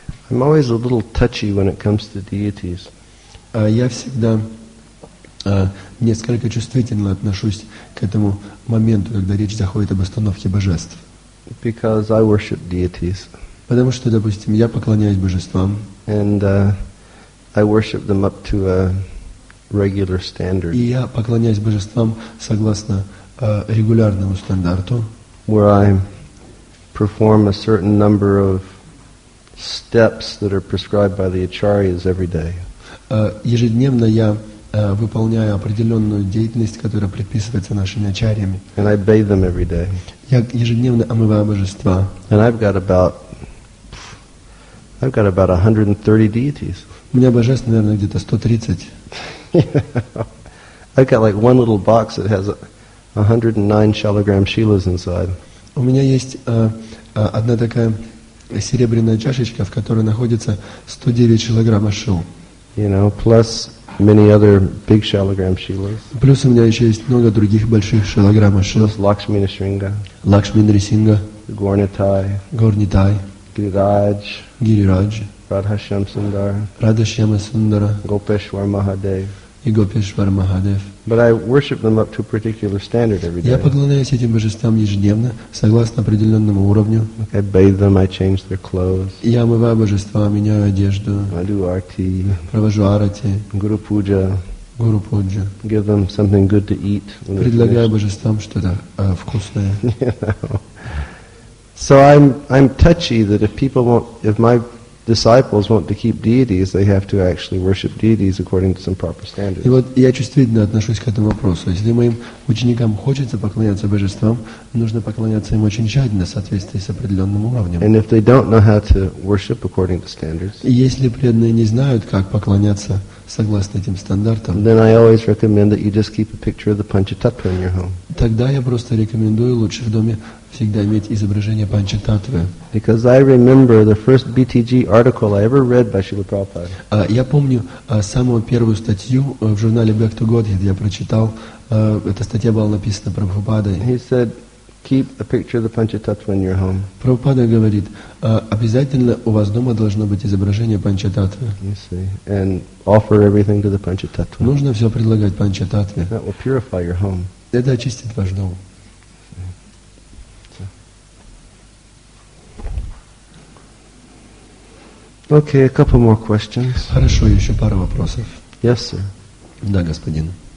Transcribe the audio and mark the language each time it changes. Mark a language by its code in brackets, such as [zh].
[en] I'm always a little touchy when it comes to deities. [ru] Я всегда несколько чувствительно отношусь к этому моменту, когда речь заходит об установке божеств. [en] Because I worship deities. [ru] Потому что, допустим, я поклоняюсь божествам. [en] And I worship them up to a regular standard. [ru] И я поклоняюсь божествам согласно регулярному стандарту. [en] Where I perform a certain number of steps that are prescribed by the acharyas every day. [ru] Ежедневно я выполняю определенную деятельность, которая предписывается нашими ачарьями. [en] And I bathe them every day. [ru] Я ежедневно омываю божества. [en] And I've got about 130 deities. [ru] У меня божеств, наверное, где-то 130. [en] I've got like one little box that has 109 shalagram shilas inside. [ru] У меня есть одна такая серебряная чашечка, в которой находится 109 шилограмма шил. [en] You know, plus many other big shalagram shilas. [ru] Плюс у меня еще есть много других больших шилограмма шил. Лакшми Нрисинга. Лакшми Нрисинга. Горнитай. Горнитай. Гирирадж. Гирирадж. Радхашьям Сундара. Радхашьям Сундара. Гопешвар Махадев. И Гопешвар Махадев. [en] But I worship them up to a particular standard every day. [ru] Я поклоняюсь этим божествам ежедневно, согласно определенному уровню. [en] Like I bathe them, I change their clothes. [ru] Я омываю божества, меняю одежду. [en] I do arti. [ru] Провожу арати. [en] Guru puja. Guru puja. Give them something good to eat. [ru] Предлагаю божествам что-то вкусное. [en] You know. So I'm touchy that if people won't, if my disciples want to keep deities, they have to actually worship deities according to some proper standards. [ru] И вот я чувствительно отношусь к этому вопросу. Если моим ученикам хочется поклоняться божествам, нужно поклоняться им очень тщательно, в соответствии с определенным уровнем. [en] And if they don't know how to worship according to standards, [ru] если преданные не знают, как поклоняться согласно этим стандартам, [en] then I always recommend that you just keep a picture of the Panchatattva in your home. [ru] Тогда я просто рекомендую лучше в доме всегда иметь изображение Панчататвы. [en] Because I remember the first BTG article I ever read by Srila Prabhupada. [ru] Я помню самую первую статью в журнале Back to Godhead я прочитал. Эта статья была написана Прабхупадой. [en] He said, keep a picture of the Panchatattva in your home. [ru] Прабхупада говорит, обязательно у вас дома должно быть изображение Панчататвы. [en] You see, and offer everything to the Panchatattva. [ru] Нужно все предлагать Панчататве. [en] That will purify your home. [ru] Это очистит ваш дом. [en] Okay, a couple more questions. [ru] Хорошо, еще пару вопросов. [en] Yes, sir. [ru] Да, господин.